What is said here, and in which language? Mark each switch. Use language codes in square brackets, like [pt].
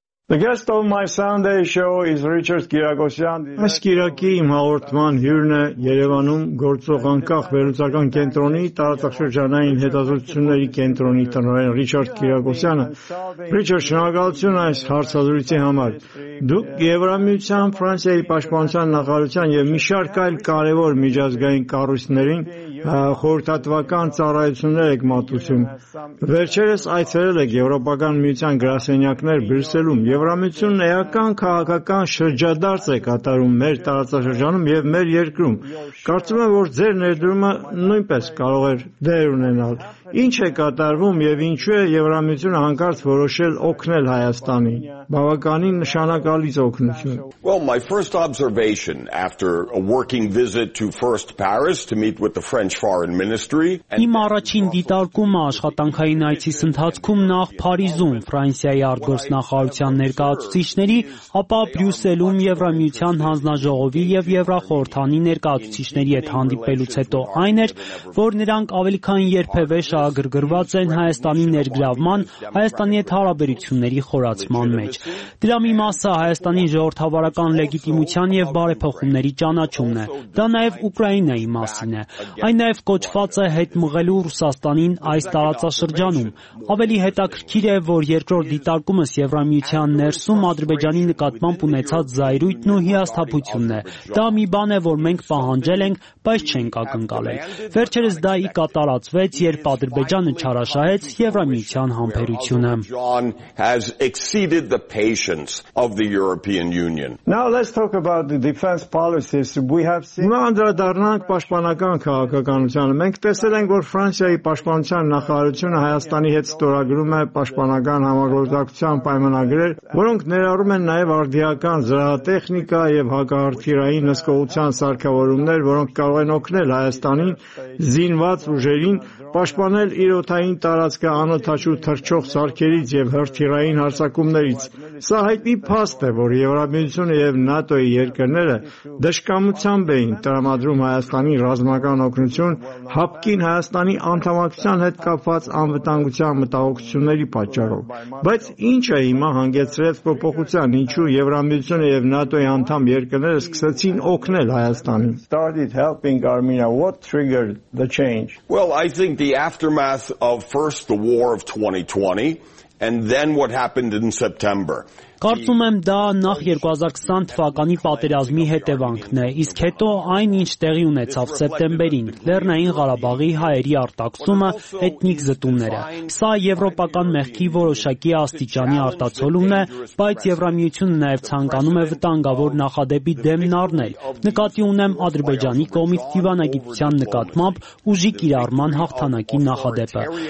[en] The guest of my Sunday show is Richard Kirakosyan. [hy] Այս Կիրակիի հաղորդման հյուրն է Երևանում գործող անկախ վերլուծական կենտրոնի տարածաշրջանային հետազոտությունների կենտրոնի տնօրեն Ռիչարդ Կիրակոսյանը։ Ռիչարդ, շնորհակալություն այս հարցազրույցի համար։ Դուք Եվրամիության, Ֆրանսիայի պաշտպանության նախարարության և մի շարք այլ կարևոր միջազգային կառույցներին խորհրդատվական ծառայություններ եք մատուցում։ Վերջերս այցելել եք Եվրոպական միության գրասենյակներ Բրյուսելում։ Եվրամիությունն էական քաղաքական շրջադարձ է կատարում մեր տարածաշրջանում և մեր երկրում։ Կարծում եմ, որ ձեր ներդրումը նույնպես կարող էր դեր ունենալ։ Ինչ է կատարվում և ինչու է Եվրամիությունը հանկարծ որոշել օգնել Հայաստանի, բավականին նշանակալից օգնություն։ [en] Well, my first observation after a working visit to first Paris to meet with the French Foreign Ministry. [hy] Իմ առաջին դիտարկումը աշխատանքային այցիս ընթացքում նախ Փարիզում Ֆրանսիայի արտգործնախարարության ներկայացուցիչների, ապա Բրյուսելում Եվրամիության հանձնաժողովի և Եվրախորհրդանի ներկայացուցիչների հետ հանդիպելուց հետո այն էր, որ նրանք ավելի քան երբևէ շահագրգռված են Հայաստանի ներգրավման, Հայաստանի հետ հարաբերությունների խորացման մեջ։ Դրա մի մասը Հայաստանի ժողովրդավարական լեգիտիմության և բարեփոխումների ճանաչումն է։ Դա նաև Ուկրաինայի մասին է։ Այն նաև կոչված է հետ մղելու Ռուսաստանին այս տարածաշրջանում։ Ավելի հետաքրքիր է, որ երկրորդ դիտարկումս Եվրամիության ներսում Ադրբեջանի նկատմամբ ունեցած զայրույթն ու հիասթափությունն է։ Դա մի բան է, որ մենք պահանջել ենք, բայց չենք ակնկալել։ Վերջերս դա ի կատարածվեց, երբ Ադրբեջանը չարաշահեց Եվրամիության համբերությունը։ [en] John has exceeded the patience of the European Union. Now let's talk about the defense policies we have seen. [hy] Նա անդրադառնանք պաշտպանական քաղաքականությանը։ Մենք տեսել ենք, որ Ֆրանսիայի պաշտպանության նախարարությունը Հայաստանի հետ ստորագրում է պաշտպանական համագործակցության պայմանագրեր, որոնք ներառում են նաև արդիական զրահատեխնիկա և հակաարտիլերային հսկողության սարքավորումներ, որոնք կարող են օգնել Հայաստանին զինված ուժերին պաշտպանել իրոթային տարածքը անօթաչու թռչող սարքերից և հրթիռային հարձակումներից։ Սա հայտնի փաստ է, որ Եվրամիությունը և ՆԱՏՕ-ի երկրները դժկամությամբ էին տրամադրում Հայաստանի ռազմական օգնություն հապկին Հայաստանի անդամակցության հետ կապված անվտանգության մտահոգությունների պատճառով։ Բայց ինչ է հիմա հանգեցրեց փոփոխության, ինչու Եվրամիությունը և ՆԱՏՕ-ի անդամ երկրները սկսեցին օգնել Հայաստանին։ [en] I think the aftermath of first the war of 2020 and then what happened in September. [hy] Կարծում եմ, դա նախ 2020 թվականի պատերազմի հետևանքն է, իսկ հետո այն, ինչ տեղի ունեցավ սեպտեմբերին, Լեռնային Ղարաբաղի հայերի արտաքսումը, էթնիկ զտումները։ Սա եվրոպական մեղքի որոշակի աստիճանի արտացոլումն է, բայց Եվրամիությունը նաև ցանկանում է վտանգավոր նախադեպի դեմն առնել։ Նկատի ունեմ Ադրբեջանի կողմից դիվանագիտության նկատմամբ ուժի կիրառման հաղթանակի նախադեպը,